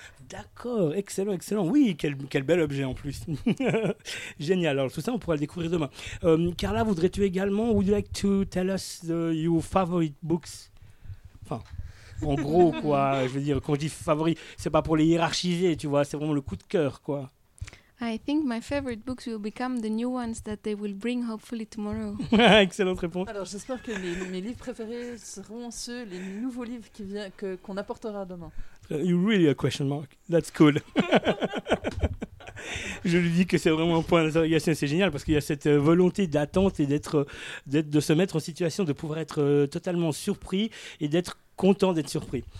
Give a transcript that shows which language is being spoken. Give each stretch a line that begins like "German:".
French: D'accord, excellent, excellent. Oui, quel bel objet en plus. Génial. Alors tout ça, on pourra le découvrir demain. Carla, voudrais-tu également,
English: would you like to tell us your favorite books?
French: Enfin, en gros, quoi. Je veux dire, quand je dis favori, c'est pas pour les hiérarchiser, tu vois. C'est vraiment le coup de cœur, quoi.
English: I think my favorite books will become the new ones that they will bring hopefully tomorrow.
French: Excellente réponse. Alors j'espère que mes livres préférés seront ceux, les nouveaux livres qu'on apportera demain.
English: You're really a question mark. That's cool.
French: Je lui dis que c'est vraiment un point d'interrogation, c'est génial parce qu'il y a cette volonté d'attente et de se mettre en situation, de pouvoir être totalement surpris et d'être content d'être surpris.